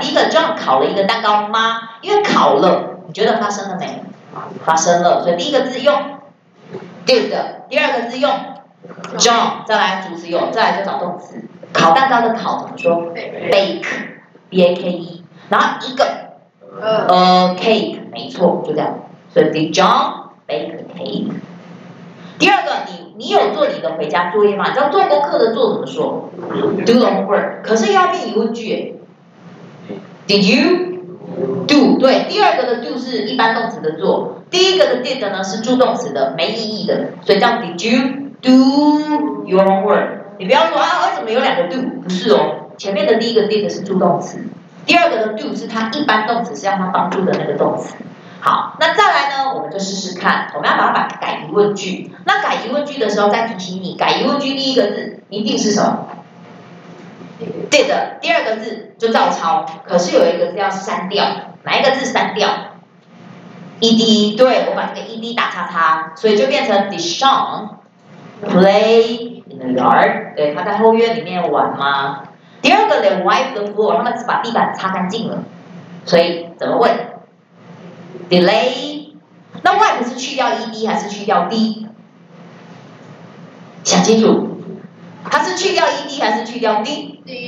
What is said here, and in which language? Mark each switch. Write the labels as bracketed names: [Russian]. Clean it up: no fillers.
[Chinese] 第一个 ，John 烤了一个蛋糕吗？因为烤了，你觉得发生了没？发生了，所以第一个字用 did， 第二个字用 John， 再来主词用，再来就找动词。烤蛋糕的烤怎么说 ？Bake，B A K E， 然后一个 [English] a cake， [Chinese] 没错，就这样。所以 [English] did John bake a cake？ [Chinese] 第二个你有做你的回家作业吗？你知道做功课的做怎么说 ？ [English] Do the homework。 [Chinese] 可是要变疑问句。 [English] Did you do？ [Chinese] 对，第二个的 do 是一般动词的做，第一个的 did 呢是助动词的，没意义的，所以叫 [English] Did you do your homework？ [Chinese] 你不要说啊，为什么有两个 do？ 不是哦，前面的第一个 did 是助动词，第二个的 do 是它一般动词，是让它帮助的那个动词。好，那再来呢，我们就试试看，我们要把它改疑问句。那改疑问句的时候再提醒你，改疑问句第一个字一定是什么 ？Did。第二个字就照抄，可是有一个字要删掉，哪一个字删掉 ？ED。对，我把这个 ED 打叉叉，所以就变成 [English] Did Sean play in the yard？ [Chinese] 对，他在后院里面玩吗？第二个 [English] They wipe the floor， [Chinese] 他们是把地板擦干净了，所以怎么问？ Delay， 那 wipe 是去掉 ed 还是去掉 d？想清楚，它是去掉 ed 还是去掉 d？